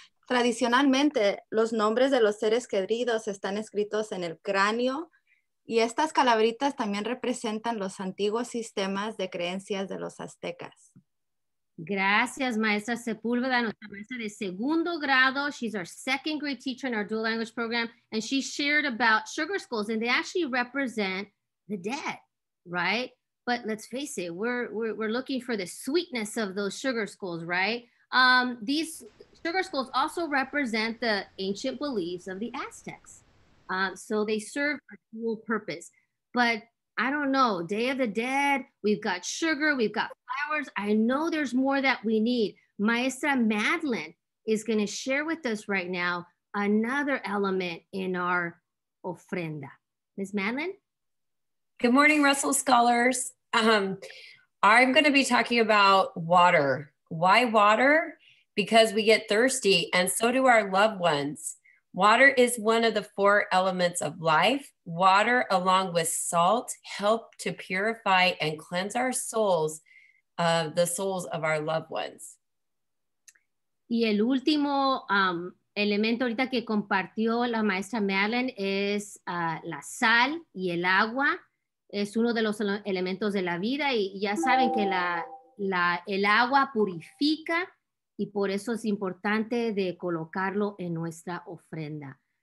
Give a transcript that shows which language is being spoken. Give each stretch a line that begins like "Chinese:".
Spanish: Tradicionalmente, los nombres de los seres queridos están escritos en el cráneo y estas calaveritas también representan los antiguos sistemas de creencias de los aztecas. Gracias, Maestra Sepúlveda, nuestra maestra de segundo grado.
English: She's our second grade teacher in our dual language program, and she shared about sugar skulls, and they actually represent the dead, right? But let's face it, we're looking for the sweetness of those sugar skulls, right? These sugar skulls also represent the ancient beliefs of the Aztecs. So they serve a dual purpose. But I don't know, Day of the Dead, we've got sugar, we've got flowers. I know there's more that we need. Maestra Madeline is going to share with us right now another element in our ofrenda. Ms. Madeline? Good morning, Russell Scholars. I'm going to be talking about water. Why water? Because we get thirsty and so do our loved ones. Water is one of the four elements of life. Water, along with salt, help to purify and cleanse our souls, the souls of our loved ones.
Spanish: Y el último elemento ahorita que compartió la maestra Madeline es la sal y el agua. Es uno de los elementos de la vida y ya saben que el agua purifica. Y por eso es importante de colocarlo en nuestra ofrenda.